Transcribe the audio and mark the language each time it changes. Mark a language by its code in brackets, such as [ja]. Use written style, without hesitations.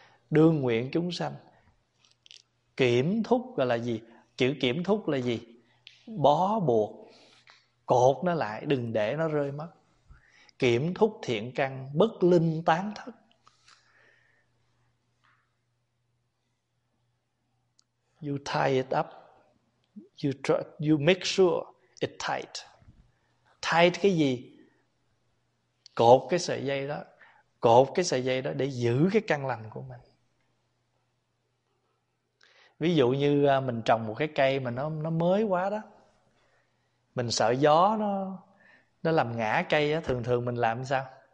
[vi] Đương nguyện chúng sanh, kiểm thúc gọi là gì? Chữ kiểm thúc là gì? Bó buộc, cột nó lại, đừng để nó rơi mất. Kiểm thúc thiện căn, bất linh tán thất. [en] You tie it up, you make sure it tight. Tight [vi] cái gì? Cột cái sợi dây đó, cột cái sợi dây đó để giữ cái căn lành của mình. Ví dụ như mình trồng một cái cây mà nó mới quá đó, mình sợ gió nó làm ngã cây đó, thường thường mình làm sao?